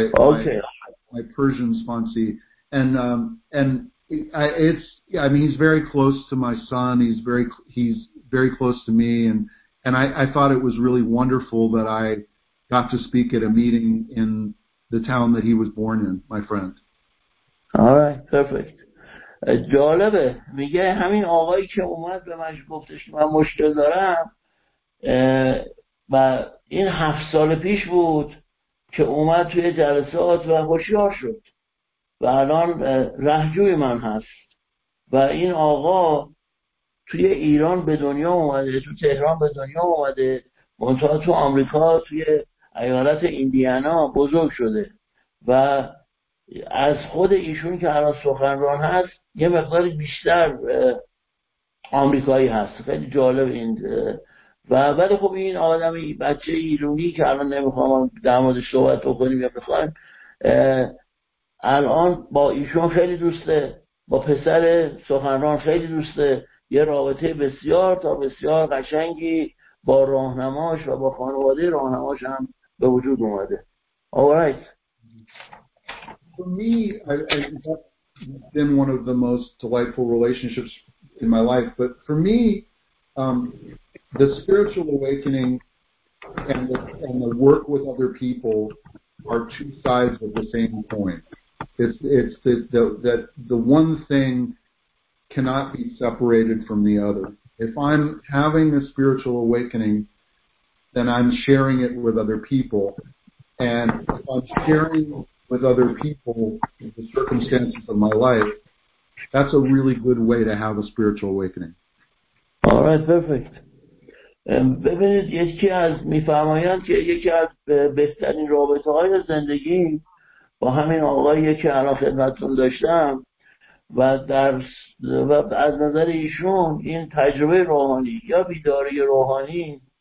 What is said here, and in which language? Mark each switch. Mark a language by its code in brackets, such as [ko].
[en] My Persian sponsee. He's very close to my son. He's very close to me, and I thought it was really wonderful that I got to speak at a meeting in the town that he was born in, my friend. All right, perfect. [fa] جالبه. میگه همین آقایی که اومد به منش گفتش که من مشکل دارم و این 7 سال پیش بود که اومد توی جلسات و هوشیار شد و الان رهجوی من هست و این آقا توی ایران به دنیا اومده، تو تهران به دنیا اومده، منتها تو آمریکا توی ایالت ایندیانا بزرگ شده و از خود ایشون که الان سخنران هست یه مقدار بیشتر آمریکایی هست. خیلی جالب این و ولی خب این آدم بچه ایرانی که الان نمیخوام در موردش صحبت بکنیم یا بخوام، الان با ایشون خیلی دوسته، با پسر سخنران خیلی دوسته، یه رابطه بسیار تا بسیار قشنگی با راهنماش و با خانواده راهنماش هم به وجود اومده. [en] Alright. For me, it's been one of the most delightful relationships in my life. But for me, the spiritual awakening and the work with other people are two sides of the same coin. It's the one thing cannot be separated from the other. If I'm having a spiritual awakening, then I'm sharing it with other people. And if I'm sharing with other people in the circumstances of my life, that's a really good way to have a spiritual awakening. All right, perfect. [fa] ببینید یکی از میفرمایند که یکی از بهترین رابطه های زندگی با همین آقایی که الان خدمتتون داشتم و در و از نظر ایشون این تجربه روحانی یا بیداری روحانی